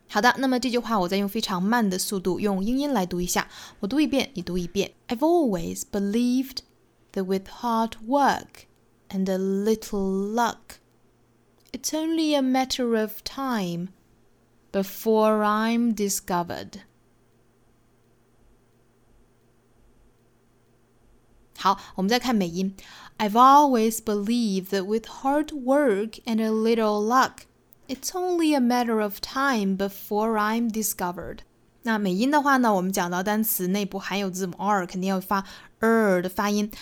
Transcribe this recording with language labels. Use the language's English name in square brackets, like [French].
[Chinese] 好的，那么这句话我再用非常慢的速度用英音来读一下，我读一遍你读一遍。 [English] I've always believed that with hard work and a little luckIt's only a matter of time before I'm discovered. [Chinese] 好，我们再看美音。 [English] I've always believed that with hard work and a little luck, it's only a matter of time before I'm discovered. [Chinese] 那美音的话呢，我们讲到单词内部含有字母 R， 肯定要发的发音。